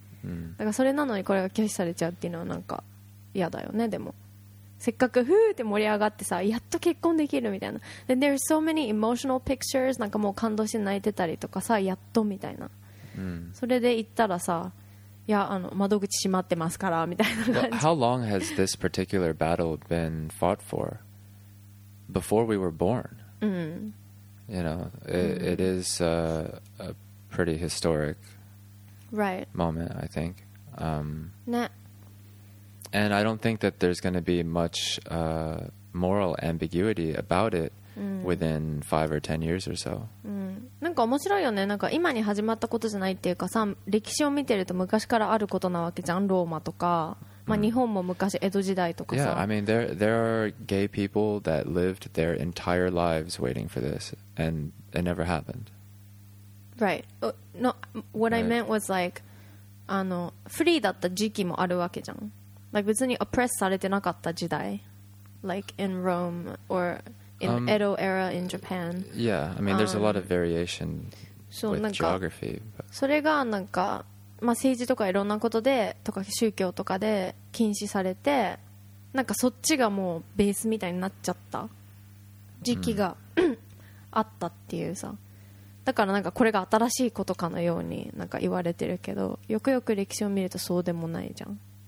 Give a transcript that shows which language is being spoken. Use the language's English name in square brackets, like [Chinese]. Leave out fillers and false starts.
[Japanese] だからそれなのにこれが拒否されちゃうっていうのはなんか嫌だよね。でもせっかくふーって盛り上がってさ、やっと結婚できるみたいな。 [English] Then there are so many emotional pictures、 [Japanese] なんかもう感動して泣いてたりとかさ、やっとみたいな。それで行ったらさ、いや、あの、窓口閉まってますからみたいな感じ。 [English] Well, how long has this particular battle been fought for? Before we were born? You know, it is a pretty historic moment, I think. And I don't think that there's going to be much moral ambiguity about it within 5 or 10 years or so. [Japanese] なんか面白いよね。なんか今に始まったことじゃないっていうかさ、歴史を見てると昔からあることなわけじゃん、ローマとか。まあ、日本も昔江戸時代とかさ。 [English] Yeah, I mean, there are gay people that lived their entire lives waiting for this, and it never happened. Right. No, what right. I meant was like, [Japanese] あの、フリーだった時期もあるわけじゃん。 [English] Like, [Japanese] 別にオプレスされてなかった時代。 [English] Like, in Rome, or in Edo era in Japan. Yeah, I mean, there's a lot of variation with geography. [Japanese] それがなんか、まあ、政治とかいろんなことでとか宗教とかで禁止されて、なんかそっちがもうベースみたいになっちゃった時期が、あったっていうさ。だからなんかこれが新しいことかのようになんか言われてるけど、よくよく歴史を見るとそうでもないじゃん。